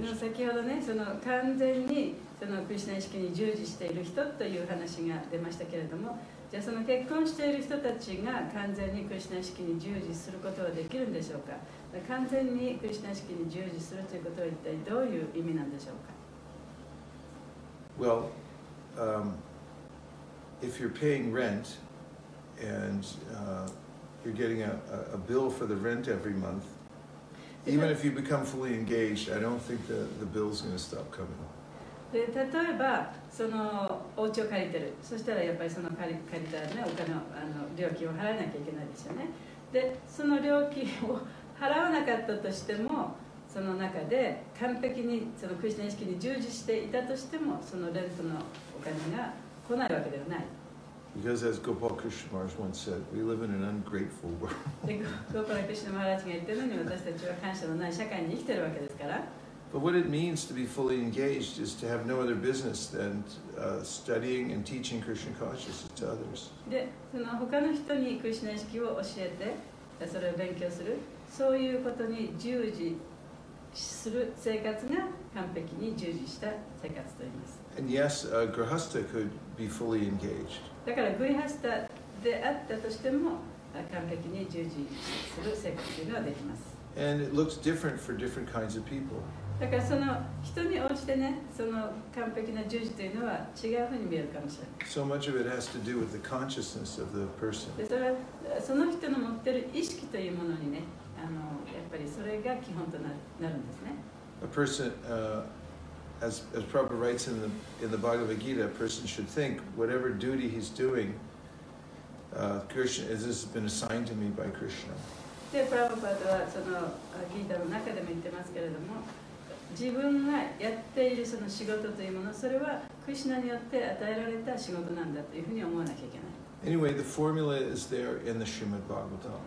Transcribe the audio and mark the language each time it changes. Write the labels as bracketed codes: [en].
[ja] No, 先ほどね、その完全にそのクリスナ意識に従事している人という話が出ましたけれども、じゃあその結婚している人たちが完全にクリスナ意識に従事することはできるんでしょうか？完全にクリスナ意識に従事するということは一体どういう意味なんでしょうか？ [en] Well, if you're paying rent and you're getting a bill for the rent every month. Even if you become fully engaged, I don't think the bill's going to stop coming. [ja] で、例えばそのお家を借りてる。そしたらやっぱりその借りたね、お金の料金を払わなきゃいけないですよね。で、その料金を払わなかったとしても、その中で完璧にそのクリスチャン意識に従事していたとしても、そのレントのお金が来ないわけではない。 [en] Because as Gopal Krishna Maharaj once said, we live in an ungrateful world. [ja] Gopal Krishna Maharaj が言ってるのに、私たちは感謝のない社会に生きてるわけですから。 [en] But what it means to be fully engaged is to have no other business than studying and teaching Krishna consciousness to others. [ja] で、その他の人にクリスナ意識を教えて、それを勉強する、そういうことに従事する生活が完璧に従事した生活と言います。 [en] And yes, a grihastha could be fully engaged. [ja] だからグリハスタであったとしても完璧に従事する生活というのはできます。 [en] And it looks different for different kinds of people. [ja] だからその人に応じてね、その完璧な従事というのは違うふうに見えるかもしれない。 [en] So much of it has to do with the consciousness of the person. [ja] で、それはその人の持ってる意識というものにね、やっぱりそれが基本となるんですね。 [en] A person, As Prabhupada writes in the Bhagavad Gita, a person should think, whatever duty he's doing, Krishna, this has been assigned to me by Krishna. [ja] で、Prabhupada はそのギータの中でも言ってますけれども、自分がやっているその仕事というもの、それはクリシナによって与えられた仕事なんだというふうに思わなきゃいけない。 [en] Anyway, the formula is there in the Srimad Bhagavatam.